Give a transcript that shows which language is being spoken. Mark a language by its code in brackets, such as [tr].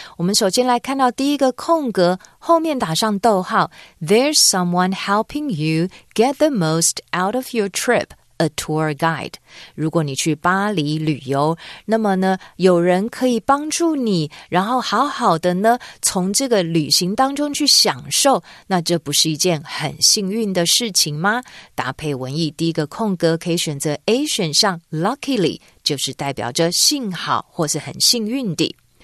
[zh] 我们首先来看到第一个空格，后面打上逗号。 [en] There's someone helping you get the most out of your trip, a tour guide. [zh] 如果你去巴黎旅游，那么呢，有人可以帮助你，然后好好的呢，从这个旅行当中去享受，那这不是一件很幸运的事情吗？搭配文意，第一个空格可以选择 A 选项 luckily, 就是代表着幸好或是很幸运的。